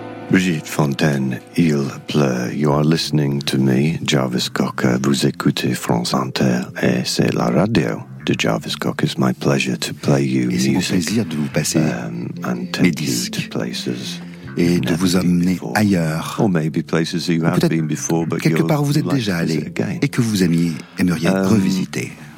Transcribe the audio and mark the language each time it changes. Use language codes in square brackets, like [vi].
[en] Brigitte Fontaine, [fr] il pleut. [en] You are listening to me, Jarvis Cocker. [fr] Vous écoutez France Inter et c'est la radio de Jarvis Cocker. [en] It's my pleasure to play you [fr] et [en] music. [fr] Et c'est mon plaisir de vous passer mes disques et de vous emmener ailleurs. [en] Or maybe places you have been before, but [fr] quelque part vous êtes déjà allé et que vous aimeriez revisiter.